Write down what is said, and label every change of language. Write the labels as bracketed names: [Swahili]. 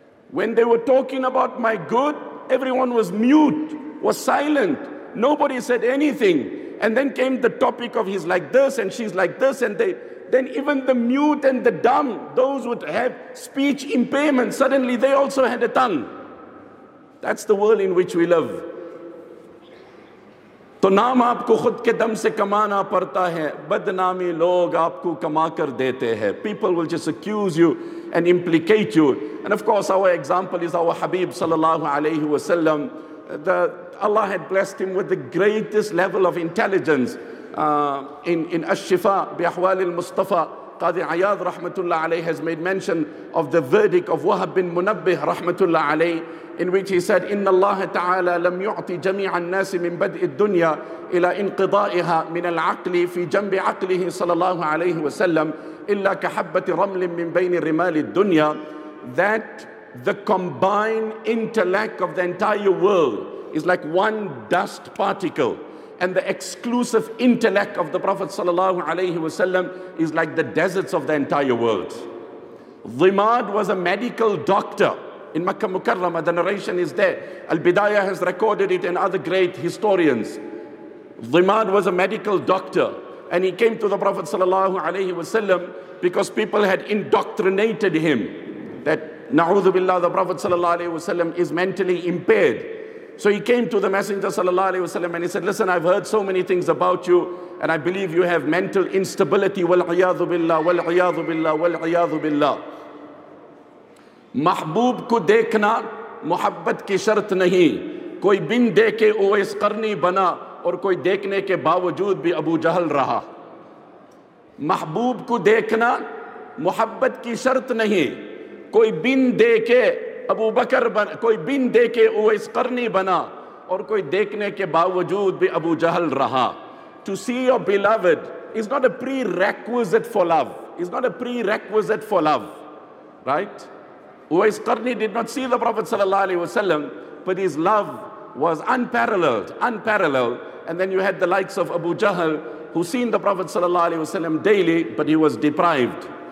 [English] When they were talking about my good, everyone was mute, was silent. Nobody said anything. And then came the topic of he's like this and she's like this, and then even the mute and the dumb, those would have speech impairment, suddenly they also had a tongue. That's the world in which we live. [Urdu] تو نام آپ کو خود کے دم سے کمانا پڑتا ہے, بدنامی لوگ آپ کو کما کر دیتے ہیں. [English] People will just accuse you and implicate you. And of course, our example is our Habib sallallahu alayhi wa sallam. Allah had blessed him with the greatest level of intelligence in Ash-Shifa bi Ahwal al-Mustafa. Qadi Ayaz rahmatullah alayhi has made mention of the verdict of Wahab bin Munabbih rahmatullah alayhi, in which he said, [Arabic] إِنَّ اللَّهَ تَعَالَى لَمْ يُعْطِ جَمِيعَ النَّاسِ مِنْ بَدْءِ الدُّنْيَا إِلَىٰ إِنْقِضَائِهَا مِنَ الْعَقْلِ فِي جَنْبِ عَقْلِهِ صَلَى اللَّهُ عَلَيْهِ وَسَلَّمْ إِلَّا كَحَبَّةِ رَمْلٍ مِنْ بَيْنِ رِمَالِ الدُّنْيَا. [English] That the combined intellect of the entire world is like one dust particle, and the exclusive intellect of the Prophet sallallahu alayhi wasallam is like the deserts of the entire world. Dhimad was a medical doctor in Makkah Mukarrama. The narration is there. Al-Bidayah has recorded it and other great historians. Dhimad was a medical doctor, and he came to the Prophet sallallahu alayhi wasallam because people had indoctrinated him that na'udhu billah, the Prophet sallallahu alayhi wasallam is mentally impaired. So he came to the Messenger sallallahu alayhi wasallam and he said, listen, I've heard so many things about you, and I believe you have mental instability. [Arabic] Wal-iyadhu billah, wal-iyadhu billah, wal-iyadhu billah. [Urdu] محبوب کو دیکھنا محبت کی شرط نہیں, کوئی بن دیکھے اویس قرنی بنا اور کوئی دیکھنے کے باوجود بھی ابو جہل رہا. محبوب کو دیکھنا محبت کی شرط نہیں, کوئی بن دیکھے ابو بکر بنا, کوئی بن دیکھے اویس قرنی بنا اور کوئی دیکھنے کے باوجود بھی ابو جہل رہا. [English] To see your beloved is not a prerequisite for love. It's not a prerequisite for love, right? Uwais Qarni did not see the Prophet sallallahu alaihi wasallam, but his love was unparalleled. And then you had the likes of Abu Jahl, who seen the Prophet sallallahu alaihi wasallam daily, but he was deprived.